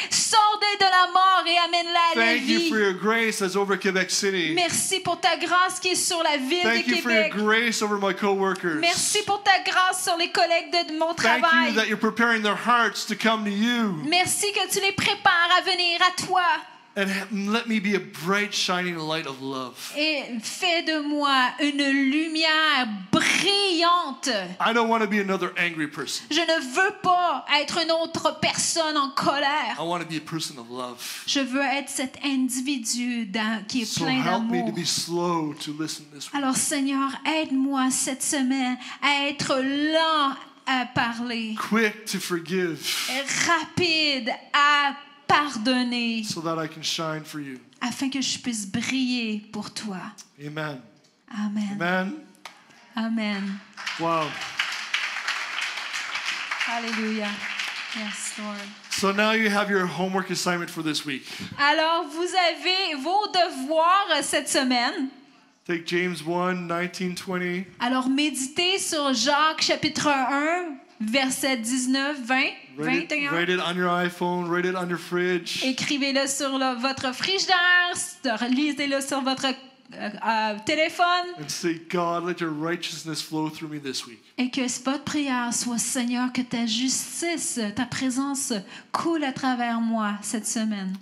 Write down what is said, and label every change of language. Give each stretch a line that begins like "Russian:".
French: Sors-les de la mort et amène-les à la vie.
English: Thank you for your grace that's over Quebec City.
French: Merci pour ta grâce qui est sur la ville
English: Thank
French: de Québec.
English: Thank you for your grace over my co-workers.
French: Merci pour ta grâce sur les collègues de mon travail.
English: Thank you that you're preparing their hearts to come to you.
French: Merci que tu les prépare à venir à toi.
English: And let me be a bright shining light of love.
French: Et fais de moi une lumière brillante.
English: I don't want to be another angry person.
French: Je ne veux pas être une autre personne en colère.
English: I want to be a person of love.
French: Je veux être cet individu qui est
English: so
French: plein d'amour.
English: Help me to be slow to listen this week.
French: Alors Seigneur, aide-moi cette semaine à être lent à parler.
English: Quick to forgive.
French: Et rapide à pardonner,
English: so that I can shine for you.
French: Afin que je puisse briller pour toi.
English: Amen. Amen. Amen. Amen. Wow. Hallelujah. Yes, Lord. So now you have your homework assignment for this week.
French: Alors vous avez vos devoirs cette semaine.
English: Take James 1, 19, 20.
French: Alors méditez sur Jacques chapitre 1, verset 19, 20.
English: Write it on your iPhone, write it on your fridge.
French: Écrivez-le sur votre frigidaire, lisez-le sur votre téléphone.
English: And say, God, let your righteousness flow through me this week.
French: Et que votre prière soit, Seigneur, que ta justice, ta présence coule à travers moi cette semaine.